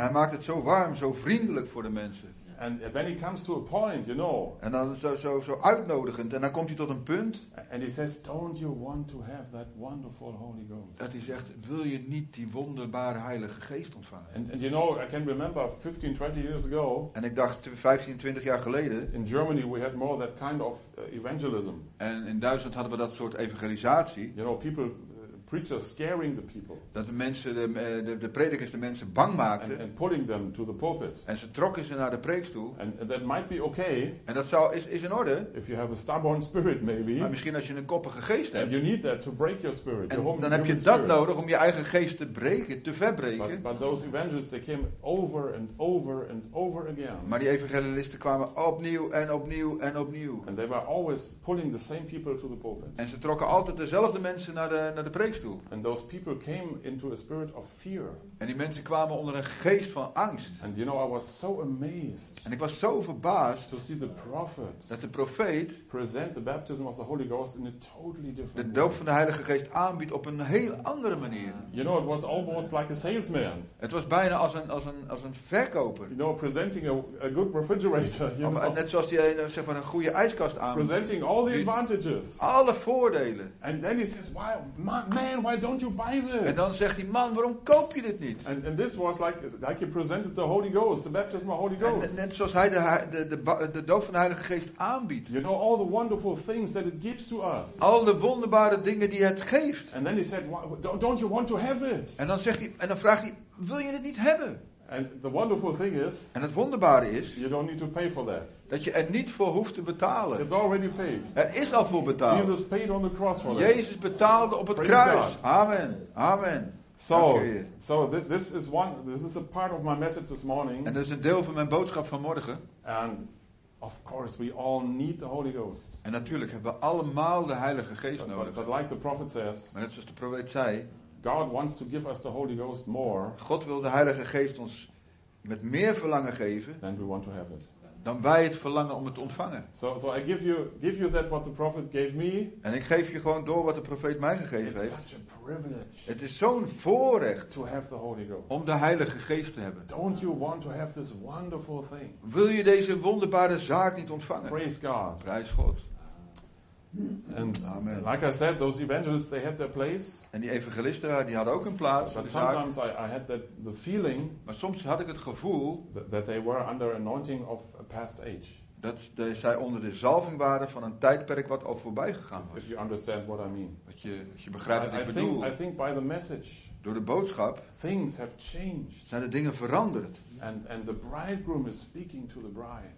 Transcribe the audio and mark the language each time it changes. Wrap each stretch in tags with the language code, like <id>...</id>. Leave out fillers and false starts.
<nl>En hij maakt het zo warm, zo vriendelijk voor de mensen.</nl> <en>And then he comes to a point, you know.</en> <nl>En dan zo uitnodigend, en dan komt hij tot een punt.</nl> <en>And he says, "Don't you want to have that wonderful Holy Ghost?"</en> <nl>Dat hij zegt, wil je niet die wonderbare Heilige Geest ontvangen?</nl> <en>And you know, I can remember 15, 20 years ago.</en> <nl>En ik dacht 15, 20 jaar geleden.</nl> <en>In Germany we had more that kind of evangelism.</en> <nl>En in Duitsland hadden we dat soort evangelisatie.</nl> <en>You know, people. Preachers scaring the people.</en> <nl>Dat de mensen de predikers de mensen bang maakten.</nl> <en>And putting them to the pulpit.</en> <nl>En ze trokken ze naar de preekstoel.</nl> <en>And that might be okay.</en> <nl>En dat zou is in orde.</nl> <en>If you have a stubborn spirit, maybe.</en> <nl>Maar misschien als je een koppige geest hebt.</nl> <en>And you need that to break your spirit.</en> <nl>En your dan heb je dat nodig om je eigen geest te breken, te verbreken.</nl> <en>But those evangelists, they came over and over and over again.</en> <nl>Maar die evangelisten kwamen opnieuw en opnieuw en opnieuw.</nl> <en>And they were always pulling the same people to the pulpit.</en> <nl>En ze trokken altijd dezelfde mensen naar de preekstoel.</nl> <en>And those people came into a spirit of fear.</en> <nl>En die mensen kwamen onder een geest van angst.</nl> <en>And you know, I was so amazed.</en> <nl>En ik was zo verbaasd.</nl> <en>To see the prophet.</en> <nl>Dat de profeet.</nl> <en>Present the baptism of the Holy Ghost in a totally different.</en> <nl>De doop van de Heilige Geest aanbiedt op een heel andere manier.</nl> <en>You know, it was almost like a salesman.</en> <nl>Het was bijna als een verkoper.</nl> <en>You know, presenting a good refrigerator. You know.</en> <nl>Net zoals die een goede ijskast aanbiedt.</nl> <en>Presenting all the advantages.</en> <nl>Alle voordelen.</nl> <en>And then he says, "Why, man, why don't you buy this?"</en> <nl>En dan zegt die man, waarom koop je dit niet?</nl> <en>And this was like he presented the Holy Ghost, the baptism of the Holy Ghost.</en> <nl>En net zoals hij de doop van de Heilige Geest aanbiedt.</nl> <en>You know all the wonderful things that it gives to us.</en> <nl>Al de wonderbare dingen die het geeft.</nl> <en>And then he said, "Don't you want to have it?"</en> <nl>En dan zegt hij, en dan vraagt hij, wil je dit niet hebben?</nl> <en>And the wonderful thing is,</en> <nl>en het wonderbare is,</nl> <en>you don't need to pay for that.</en> <nl>Dat je er niet voor hoeft te betalen.</nl> <en>It's already paid.</en> <nl>Er is al voor betaald.</nl> <en>Jesus paid on the cross for that.</en> <nl>Jezus betaalde op het kruis.</nl> <en>Amen. Amen. So this is a part of my message this morning.</en> <nl>En dat is een deel van mijn boodschap van morgen.</nl> <en>And of course we all need the Holy Ghost.</en> <nl>En natuurlijk hebben we allemaal de Heilige Geest nodig.</nl> <en>But like the prophet says.</en> <nl>Maar net zoals de profeet zei.</nl> <en>God wants to give us the Holy Ghost more.</en> <nl>God wil de Heilige Geest ons met meer verlangen geven.</nl> <en>Than we want to have it.</en> <nl>Dan wij het verlangen om het te ontvangen.</nl> <en>So I give you that what the prophet gave me.</en> <nl>En ik geef je gewoon door wat de profeet mij gegeven It's heeft.</nl> <en>Such a privilege.</en> <nl>Het is zo'n voorrecht</nl> <en>to have the Holy Ghost.</en> <nl>Om de Heilige Geest te hebben.</nl> <en>Don't you want to have this wonderful thing?</en> <nl>Wil je deze wonderbare zaak niet ontvangen?</nl> <en>Praise God.</en> <nl>Prijs God.</nl> <en>And amen. Like I said, those evangelists, they had their place.</en> <nl>En die evangelisten, die hadden ook een plaats.</nl> <en>But sometimes I had the feeling.</en> <nl>Maar soms had ik het gevoel.</nl> <en>That they were under anointing of a past age.</en> <nl>Dat zij onder de zalving waren van een tijdperk wat al voorbij gegaan was.</nl> <en>If you understand what I mean.</en> <nl>Als je begrijpt wat ik bedoel.</nl> <en>I think by the message.</en> <nl>Door de boodschap.</nl> <en>Things have changed.</en> <nl>Zijn de dingen veranderd.</nl> <en>And the bridegroom is speaking to the bride.</en>